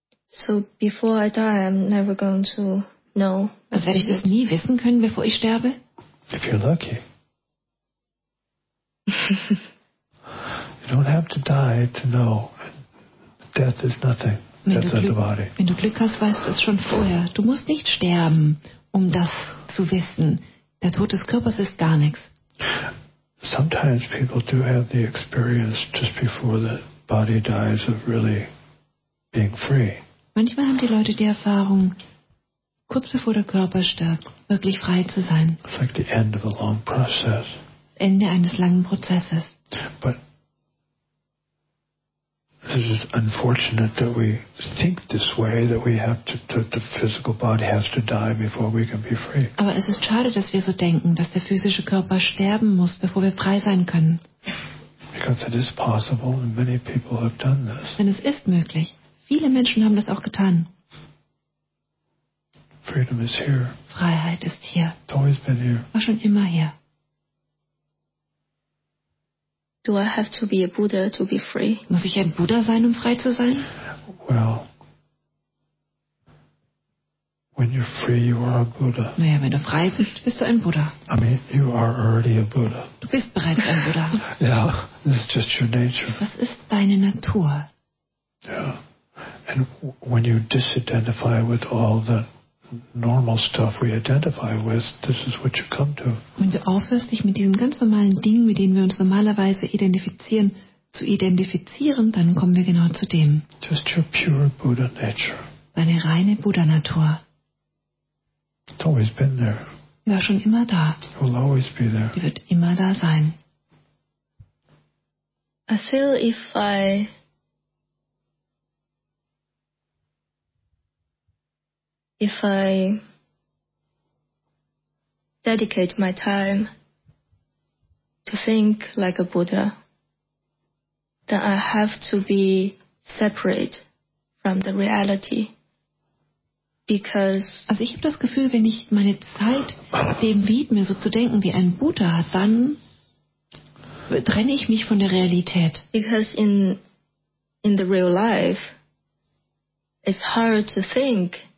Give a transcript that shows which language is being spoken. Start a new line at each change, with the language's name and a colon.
English: So before I die, I'm never going to know.
German: Was werde ich das nie wissen können, bevor ich sterbe?
English: If you're lucky. You don't have to die to know. Death is nothing.
German: Wenn du Glück hast, weißt du es schon vorher. Du musst nicht sterben, um das zu wissen. Der Tod des Körpers ist gar nichts.
English: Sometimes people do have the experience just before the body dies of really being free.
German: Manchmal haben die Leute die Erfahrung, kurz bevor der Körper stirbt, wirklich frei zu sein.
English: It's like the end of a long process.
German: Ende eines langen Prozesses.
English: But this is unfortunate that we think this way, that we have to, that the physical body has to die before we can be free.
German: Aber es ist schade, dass wir so denken, dass der physische Körper sterben muss, bevor wir frei sein können.
English: Because it is possible, and many people have done this.
German: Denn es ist möglich. Viele Menschen haben das auch getan.
English: Freedom is here.
German: Freiheit ist hier.
English: It's always been here.
German: War schon immer hier.
English: Do I have to be a Buddha to be free?
German: Muss ich ein Buddha sein, um frei zu sein?
English: Well, when you're free, you are a Buddha.
German: Naja, wenn du frei bist, bist du ein Buddha.
English: I mean, you are already a Buddha.
German: Du bist bereits ein Buddha.
English: Yeah, this is just your nature.
German: Das ist deine Natur.
English: Yeah, and when you disidentify with all the normal stuff we identify with, this is what you come to.
German: Wenn du aufhörst, dich mit diesen ganz normalen Dingen, mit denen wir uns normalerweise identifizieren, zu identifizieren, dann kommen wir genau zu dem.
English: Just your pure Buddha nature.
German: Deine reine Buddha-Natur.
English: It's always been there.
German: War schon immer da.
English: It will always be there.
German: Die wird immer da sein.
English: I feel if I dedicate my time to think like a Buddha, then I have to be separate from the reality. Because,
German: also ich habe das Gefühl, wenn ich meine Zeit dem widme, so zu denken wie ein Buddha, dann trenne ich mich von der Realität.
English: Because in the real life, it's hard to think.